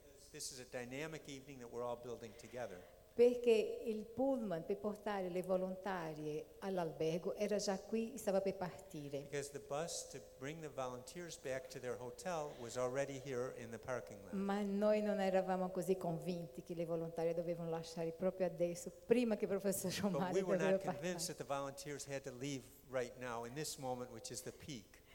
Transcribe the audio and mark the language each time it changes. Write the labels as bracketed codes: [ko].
[en] This is a dynamic evening that we're all building together. [it] Perché il pullman per portare le volontarie all'albergo era già qui e stava per partire. [en] Because the bus to bring the volunteers back to their hotel was already here in the parking lot. [it] Ma noi non eravamo così convinti che le volontarie dovevano lasciare proprio adesso, prima che il professor Schumacher dovesse partire. [en] But we were not convinced that the volunteers had to leave right now in this moment, which is the peak.